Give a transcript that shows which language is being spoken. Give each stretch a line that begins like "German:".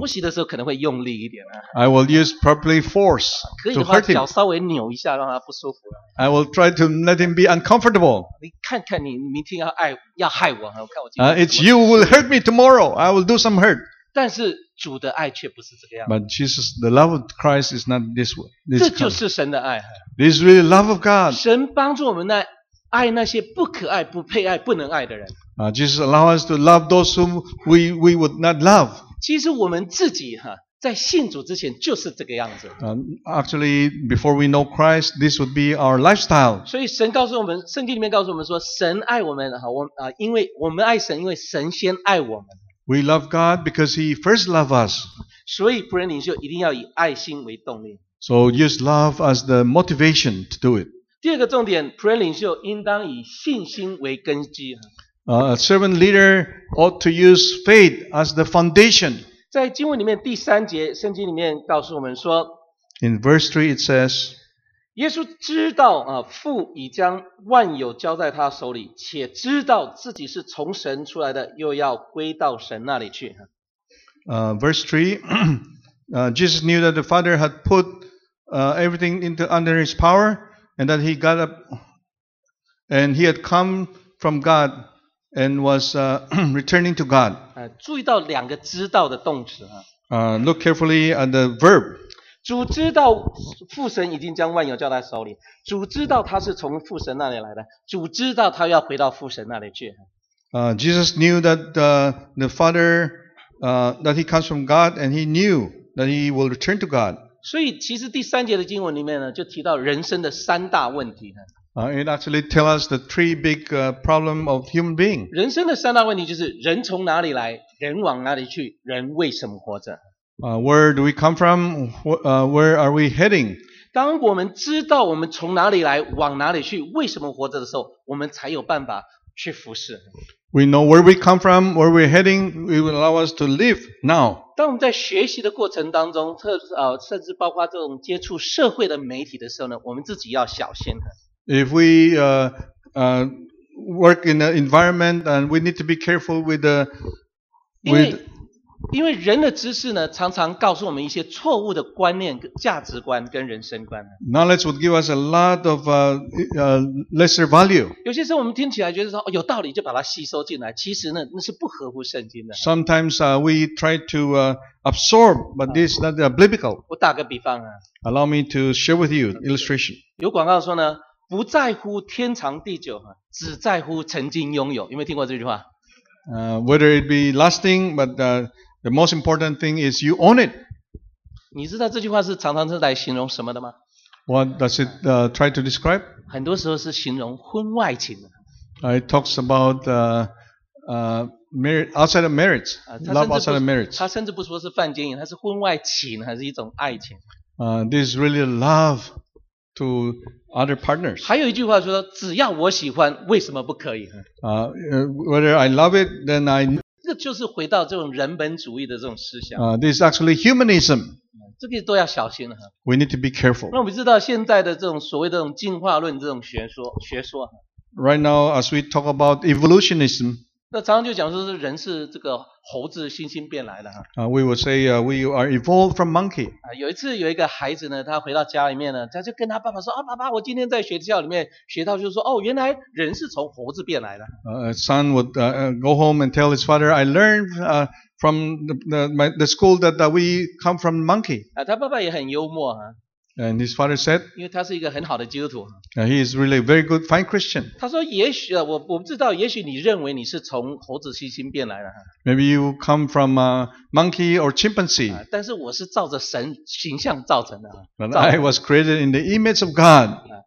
Chinese: 我洗的时候可能会用力一点
English: 啊。I will use properly force to hurt him.
Chinese: 可以的话，脚稍微扭一下，让他不舒服。
English: I will try to let him be uncomfortable.
Chinese: 你看看你明天要害我，我看我今
English: 天。It's you who will hurt me tomorrow. I will do some hurt.
Chinese: 但是主的爱却不是这个样子。
English: But Jesus, the love of Christ is not this way.
Chinese: 这就是神的爱。
English: This is really love of God.
Chinese: 神帮助我们来爱那些不可爱、不配爱、不能爱的人。
English: Jesus allow us to love those whom we would not love.
Chinese: 其实我们自己在信主之前就是这个样子。
English: Actually, before we know Christ, this would be our lifestyle.
Chinese: 所以神告诉我们，圣经里面告诉我们说，神爱我们，因为我们爱神，因为神先爱我们。
English: We love God because He first loved us.
Chinese: 所以仆人领袖一定要以爱心为动力。
English: So use love as the motivation to do it.
Chinese: 第二个重点，仆人领袖应当以信心为根基。
English: A servant leader ought to use faith as the foundation.
Chinese: 在经文里面第三节，圣经里面告诉我们说
English: ，In verse 3 it says,
Chinese: 耶稣知道父已将万有交在他手里，且知道自己是从神出来的，又要归到神那里去。
English: Verse 3, Jesus knew that the Father had put everything into under His power, and that He got up and He had come from God. And was returning to God.
Chinese: 注意到两个知道的动词啊。
English: Look carefully at the verb.
Chinese: 主知道父神已经将万有交在手里。主知道他是从父神那里来的。主知道他要回到父神那里去。
English: Jesus knew that the Father, that he comes from God, and he knew that he will return to God.
Chinese: 所以其实第三节的经文里面呢，就提到人生的三大问题呢。
English: It actually tells us the three big problem of human being.
Chinese: 人生的三大问题就是人从哪里来，人往哪里去，人为什么活着。
English: Where do we come from? Where are we heading?
Chinese: 当我们知道我们从哪里来，往哪里去，为什么活着的时候，我们才有办法去服侍。
English: We know where we come from, where we're heading, it will allow us to live now.
Chinese: 当我们在学习的过程当中，甚至包括这种接触社会的媒体的时候呢，我们自己要小心。
English: If we work in an environment, and we need to be careful with the.
Chinese: 因为人的知识呢，常常告诉我们一些错误的观念、价值观跟人生观。
English: Knowledge would give us a lot of lesser value.
Chinese: 有些时候我们听起来觉得说有道理，就把它吸收进来，其实呢，那是不合乎圣经的。
English: Sometimes we try to absorb, but this is not biblical.
Chinese: 我打个比方啊。
English: Allow me to share with you illustration.
Chinese: 有广告说呢。不在乎天长地久，只在乎曾经拥有。有没有听过这句话？
English: Whether it be lasting, but the most important thing is you own it.
Chinese: 你知道这句话是常常是来形容什么的吗？
English: What does it try to describe?
Chinese: 很多时候是形容婚外情的。
English: It talks about marriage outside of marriage, love outside of marriage.
Chinese: 他甚至不说是犯奸淫，他是婚外情，还是一种爱情。
English: This is really love to other partners.
Chinese: 还有一句话说，只要我喜欢，为什么不可以？
English: Whether I love it, then I.
Chinese: 这就是回到这种人本主义的这种思想。
English: This is actually humanism.
Chinese: 这个都要小心了。
English: We need to be careful.
Chinese: 那我们知道现在的这种所谓的这种进化论这种学说。
English: Right now, as we talk about evolutionism.
Chinese: 那常常就讲说是人是这个猴子猩猩变来的。
English: We will say, we are evolved from monkey.
Chinese: 有一次有一个孩子呢，他回到家里面呢，他就跟他爸爸说，爸爸，我今天在学校里面学到就是说，原来人是从猴子变来的。
English: Son would, go home and tell his father, I learned, from the school that we come from monkey.
Chinese: 他爸爸也很幽默啊。
English: And his father said,
Chinese: 因为他是一个很好的基督徒。
English: He is really a very good, fine Christian.
Chinese: 他说也许我不知道，也许你认为你是从猴子猩猩变来的。
English: Maybe you come from a monkey or chimpanzee.
Chinese: 但是我是照着神形象造成的。
English: But I was created in the image of God.